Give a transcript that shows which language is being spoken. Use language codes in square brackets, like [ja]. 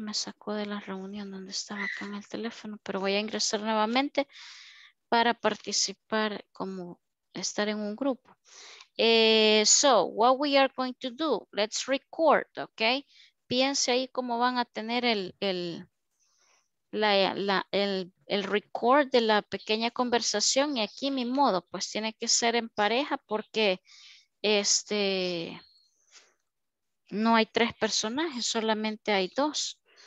[es] Me sacó de la reunión donde estaba acá en el teléfono. Pero voy a ingresar nuevamente. Para participar como estar en un grupo. [en] So, what we are going to do, let's record, okay? [es] Piense ahí cómo van a tener el record de la pequeña conversación y aquí mi modo, pues tiene que ser en pareja porque este no hay tres personajes, solamente hay dos.